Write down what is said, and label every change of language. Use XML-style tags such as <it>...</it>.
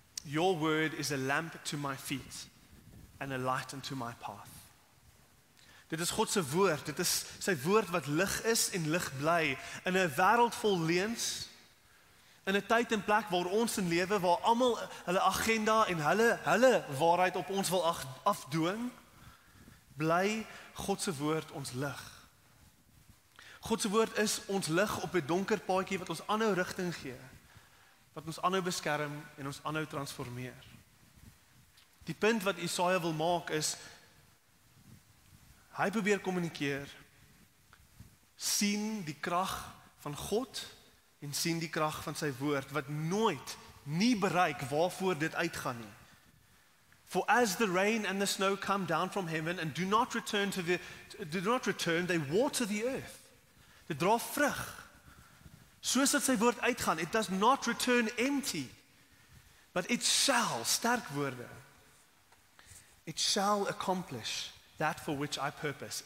<en>Your word is a lamp to my feet and a light unto my path.</en> <af>Dit is God se woord, dit is sy woord wat lig is en lig bly in 'n wêreld vol leuns, in 'n tyd en plek waar ons in lewe waar almal hulle agenda en hulle waarheid op ons wil afdwing, bly God se woord ons lig. God se woord is ons lig op 'n donker paadjie wat ons aanhou rigting gee, wat ons aanhou beskerm en ons aanhou transformeer. Die punt wat Jesaja wil maak is, hy probeer kommunikeer, sien die krag van God en sien die krag van sy woord, wat nooit nie bereik waarvoor dit uitgaan nie.</af> <en>For as the rain and the snow come down from heaven and do not return, they water the earth.</en> <af>Dit dra vrug. Soos dat sy woord uitgaan,</af> <en>it does not return empty, but it shall,</en> <af>sterk woorde,</af> <en>it shall accomplish that for which I purpose.</en>